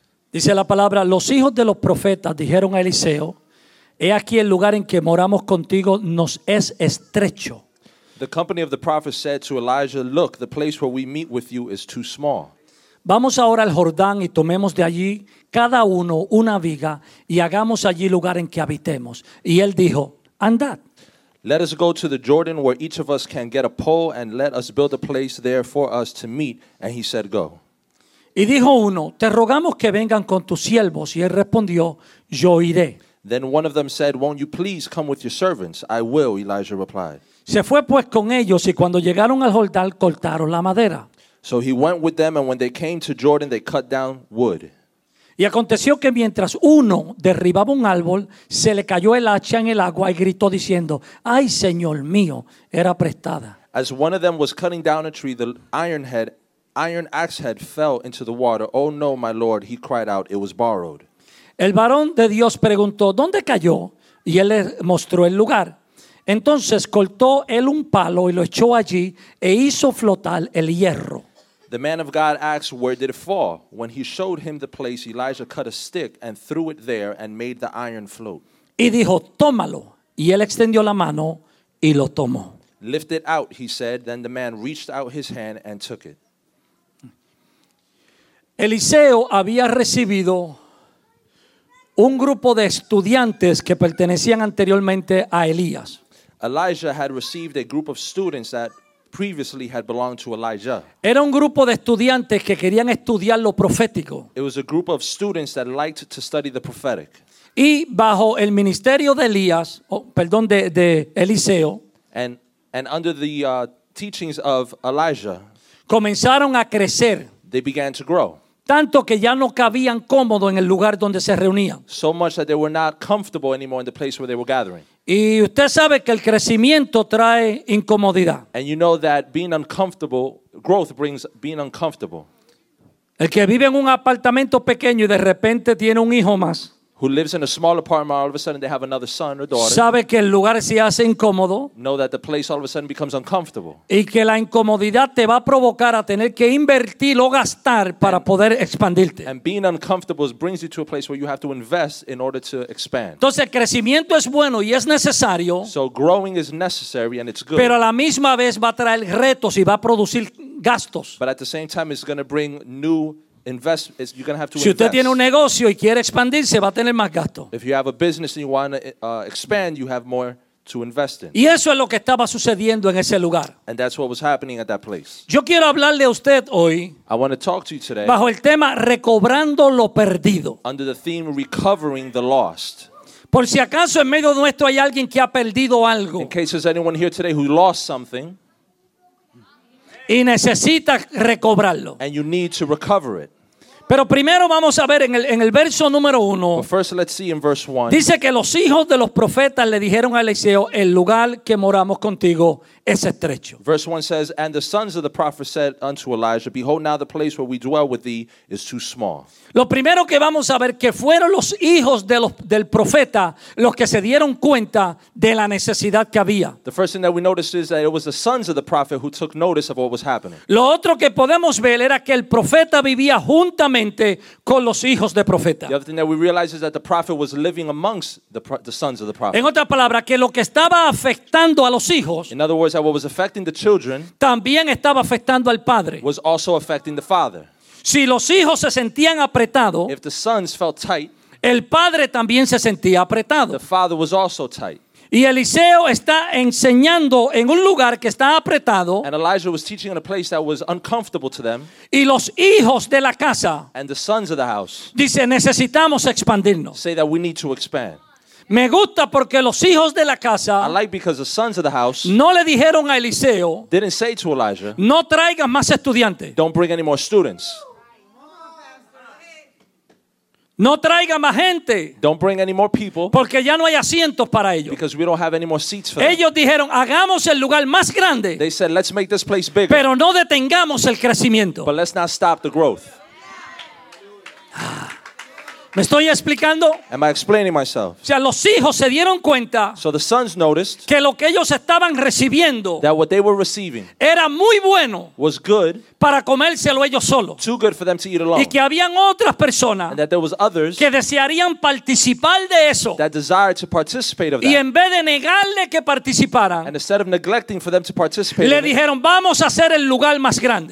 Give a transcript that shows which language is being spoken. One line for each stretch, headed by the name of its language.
Spanish: Dice la palabra, los hijos de los profetas dijeron a Eliseo, he aquí el lugar en que moramos contigo nos es estrecho.
English: The company of the prophets said to Elijah, look, the place where we meet with you is too small.
Spanish: Vamos ahora al Jordán y tomemos de allí cada uno una viga y hagamos allí lugar en que habitemos. Y él dijo, andad.
English: Let us go to the Jordan where each of us can get a pole and let us build a place there for us to meet. And he said, go.
Spanish: Y dijo uno, te rogamos que vengan con tus siervos. Y él respondió, yo iré.
English: Then one of them said, won't you please come with your servants? I will, Elijah replied.
Spanish: Se fue pues con ellos y cuando llegaron al Jordán cortaron la madera.
English: So he went with them and when they came to Jordan they cut down wood.
Spanish: Y aconteció que mientras uno derribaba un árbol, se le cayó el hacha en el agua y gritó diciendo, ay, Señor mío, era prestada.
English: As one of them was cutting down a tree, the iron axe head fell into the water. Oh no, my Lord, he cried out, it was borrowed.
Spanish: El varón de Dios preguntó, ¿dónde cayó? Y él le mostró el lugar. Entonces cortó él un palo y lo echó allí e hizo flotar el hierro.
English: The man of God asked, where did it fall? When he showed him the place, Elijah cut a stick and threw it there and made the iron float.
Spanish: Y dijo, tómalo. Y él extendió la mano y lo tomó.
English: Lift it out, he said. Then the man reached out his hand and took it.
Spanish: Eliseo había recibido un grupo de estudiantes que pertenecían anteriormente a Elías.
English: Elijah had received a group of students that previously had belonged to Elijah.
Spanish: Era un grupo de estudiantes que querían estudiar lo profético.
English: It was a group of students that liked to study the prophetic.
Spanish: Y bajo el ministerio de Elías, de Eliseo,
English: and under the teachings of Elijah,
Spanish: comenzaron a crecer.
English: They began to grow.
Spanish: Tanto que ya no cabían cómodo en el lugar donde se reunían.
English: So much that they were not comfortable anymore in the place where they were gathering.
Spanish: Y usted sabe que el crecimiento trae incomodidad.
English: And you know that being uncomfortable, growth brings being uncomfortable.
Spanish: El que vive en un apartamento pequeño y de repente tiene un hijo más.
English: Who lives in a small apartment, all of a sudden they have another son or daughter.
Spanish: Sabe que el lugar se hace incómodo.
English: Know that the place all of a sudden becomes uncomfortable.
Spanish: Y que la incomodidad te va a provocar a tener que invertir o gastar para poder expandirte.
English: And being uncomfortable brings you to a place where you have to invest in order to expand.
Spanish: Entonces el crecimiento es bueno y es necesario.
English: So growing is necessary and it's good.
Spanish: Pero a la misma vez va a traer retos y va a producir gastos.
English: But at the same time it's going to bring new invest is you're going to have to
Spanish: si usted
English: invest.
Spanish: Tiene un negocio y quiere expandirse, va a tener más gasto.
English: If you have a business and you want to expand, you have more to invest in.
Spanish: Y eso es lo que estaba sucediendo en ese lugar.
English: And that's what was happening at that place.
Spanish: Yo quiero hablarle a usted hoy.
English: I want to talk to you today.
Spanish: Bajo el tema recobrando lo perdido.
English: Under the theme recovering the lost.
Spanish: Por si acaso en medio nuestro hay alguien que ha perdido algo.
English: In case there's anyone here today who lost something.
Spanish: Y necesita recobrarlo.
English: And you need to recover it.
Spanish: Pero primero vamos a ver en el verso número uno.
English: But first let's see in verse one.
Spanish: Dice que los hijos de los profetas le dijeron a Eliseo, el lugar que moramos contigo es estrecho.
English: Verse 1 says, and the sons of the prophet said unto Elijah, behold now the place where we dwell with thee is too small.
Spanish: Lo primero que vamos a ver que fueron los hijos del profeta los que se dieron cuenta de la necesidad que había.
English: The first thing that we noticed is that it was the sons of the prophet who took notice of what was happening.
Spanish: Lo otro que podemos ver era que el profeta vivía juntamente con los hijos de profeta.
English: The other thing that we realized is that the prophet was living amongst the sons of the prophet.
Spanish: En otras palabras, que lo que estaba afectando a los hijos,
English: in other words, that what was affecting the children,
Spanish: también estaba afectando al padre.
English: Was also affecting the father.
Spanish: Si los hijos se sentían apretados,
English: if the sons felt tight,
Spanish: el padre también se sentía apretado.
English: The father was also tight.
Spanish: Y Eliseo está enseñando en un lugar que está apretado.
English: And Elijah was teaching in a place that was uncomfortable to them.
Spanish: Y los hijos de la casa,
English: and the sons of the house,
Spanish: dice, necesitamos expandirnos.
English: Say that we need to expand.
Spanish: Me gusta porque los hijos de la casa,
English: I like because the sons of the house,
Spanish: no le dijeron a Eliseo,
English: didn't say to Elijah,
Spanish: no traigan más estudiantes.
English: Don't bring any more students.
Spanish: No traiga más gente.
English: Don't bring any more people.
Spanish: Porque ya no hay asientos para ellos.
English: Because we don't have any more seats for
Spanish: ellos
English: them.
Spanish: Dijeron, hagamos el lugar más grande.
English: They said, let's make this place bigger.
Spanish: Pero no detengamos el crecimiento.
English: But let's not stop the growth.
Spanish: ¿Me estoy explicando?
English: Am I explaining myself?
Spanish: O sea, los hijos se dieron cuenta,
English: so the sons noticed,
Spanish: que lo que ellos estaban recibiendo,
English: that what they were receiving,
Spanish: era muy bueno,
English: was good,
Spanish: para comérselo ellos solos,
English: too good for them to eat alone,
Spanish: y que habían otras personas,
English: and that there was others,
Spanish: que desearían participar de eso,
English: that desired to participate of that,
Spanish: y en vez de negarle que participaran,
English: and instead of neglecting for them to participate,
Spanish: le dijeron, vamos a hacer el lugar más grande.